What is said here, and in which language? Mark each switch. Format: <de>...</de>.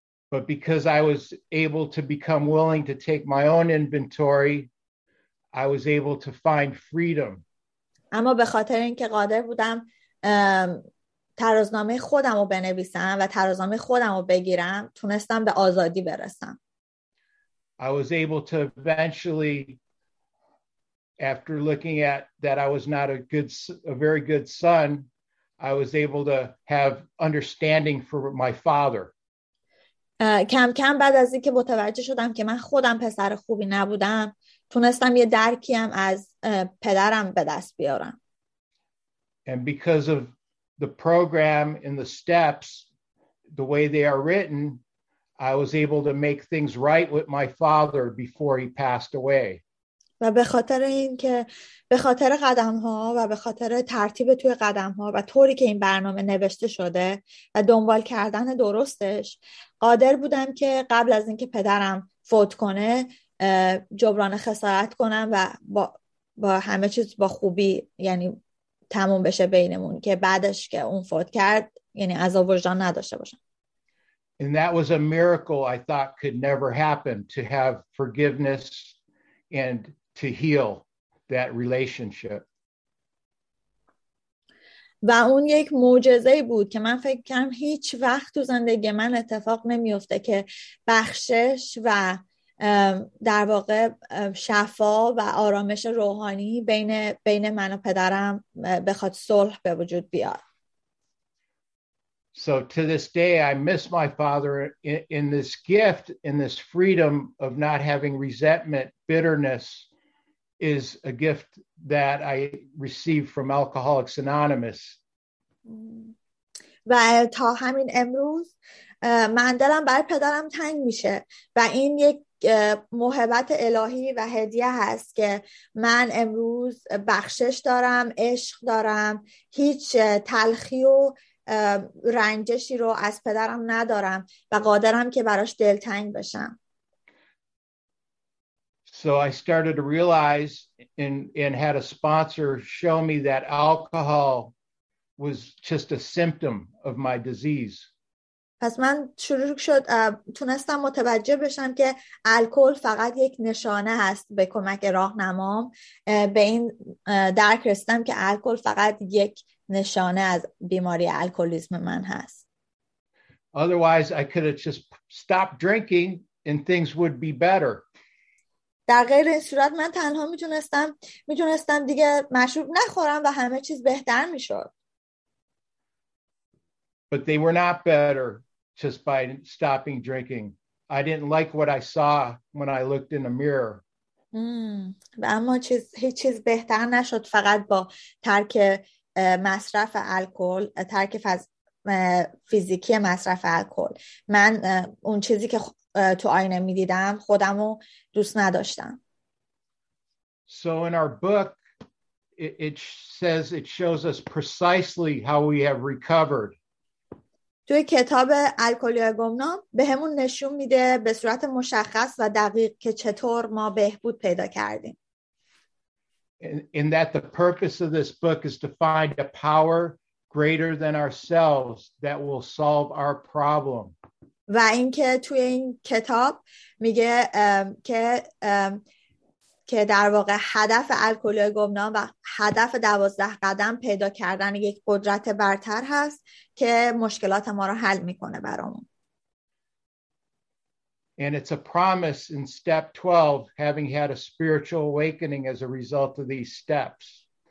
<en>But because I was able to become willing to take my own inventory, I was able to find freedom.</en> <fa>اما به خاطر اینکه قادر بودم ترازنامه خودم رو بنویسم و ترازنامه خودم رو بگیرم، تونستم به آزادی برسم.</fa> <en>I was able to eventually, after looking at that I was not a very good son, I was able to have understanding for my father.</en> <fa>کم کم بعد از اینکه متوجه شدم که من خودم پسر خوبی نبودم، تونستم یه درکی هم از پدرم به دست بیارم.</fa> <en>And because of the program and the steps, the way they are written, I was able to make things right with my father before he passed away.</en> <fa>و به خاطر اینکه به خاطر قدم‌ها و به خاطر ترتیب توی قدم‌ها و طوری که این برنامه نوشته شده و دنبال کردن درستش، قادر بودم که قبل از اینکه پدرم فوت کنه جبران خسارت کنم و با همه چیز با خوبی، یعنی تموم بشه بینمون، که بعدش که اون فوت کرد، یعنی عذاب وجدان نداشته باشم.</fa> <en>And that was a miracle I thought could never happen, to have forgiveness and to heal that relationship.</en> <fa>و اون یک معجزه بود که من فکر کنم هیچ وقت تو زندگی من اتفاق نمیفته که بخشش و در واقع شفا و آرامش روحانی بین من و پدرم بخواد صلح به وجود بیاد.</fa> <en>So to this day I miss my father in this gift, in this freedom of not having resentment, bitterness. Is a gift that I received from Alcoholics Anonymous.</en> <fa>و تا همین امروز من دلم برای پدرم تنگ میشه و این یک محبت الهی و هدیه هست که من امروز بخشش دارم، عشق دارم، هیچ تلخی و رنجشی رو از پدرم ندارم و قادرم که براش دلتنگ بشم.</fa> <en>So I started to realize and had a sponsor show me that alcohol was just a symptom of my disease.</en> <fa>پس من شروع شد تونستم متوجه بشم که الکل فقط یک نشانه هست به کمک راهنمام. به این درک رسیدم که الکل فقط یک نشانه از بیماری الکلیسم من هست.</fa> <en>Otherwise I could have just stopped drinking and things would be better.</en> <fa>در غیر این صورت من تنها میتونستم دیگه مشروب نخورم و همه چیز بهتر میشد.</fa> <en>But they were not better just by stopping drinking. I didn't like what I saw when I looked in the mirror.</en> <fa>اما هیچ چیز بهتر نشد فقط با ترک مصرف الکل، ترک فیزیکی مصرف الکل. من اون چیزی که تو آینه می دیدم خودمو دوست نداشتم.</fa> <en>So in our book it says it shows us precisely how we have recovered.</en> <fa>توی کتاب الکلی گمنام بهمون نشون میده به صورت مشخص و دقیق که چطور ما بهبود پیدا کردیم.</fa> <en>In that the purpose of this book is to find a power greater than ourselves that will solve our problem.</en> <fa>و اینکه توی این کتاب میگه که که در واقع هدف الکلی گمنام و هدف 12 قدم پیدا کردن یک قدرت برتر هست که مشکلات ما رو حل میکنه برامون.</fa> <en>And it's a promise in step 12, having had a spiritual awakening as a result of these steps.</en>